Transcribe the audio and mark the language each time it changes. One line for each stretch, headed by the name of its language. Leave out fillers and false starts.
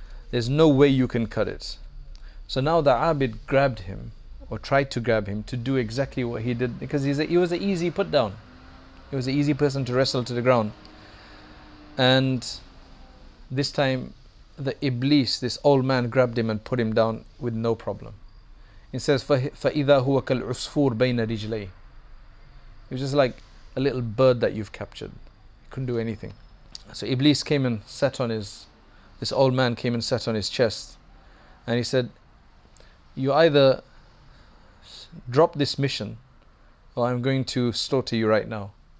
English: There's no way you can cut it. So now the abid grabbed him, or tried to grab him, to do exactly what he did, because he was an easy put down. He was an easy person to wrestle to the ground. And this time, the Iblis, this old man, grabbed him and put him down with no problem. It says,
Arabic: فَإِذَا هُوَ كَالْعُصْفُورْ بَيْنَ رِجْلَيْهِ.
English: It was just like a little bird that you've captured. He couldn't do anything. So Iblis came and sat on his, this old man came and sat on his chest. And he said, you either drop this mission, or I'm going to slaughter you right now.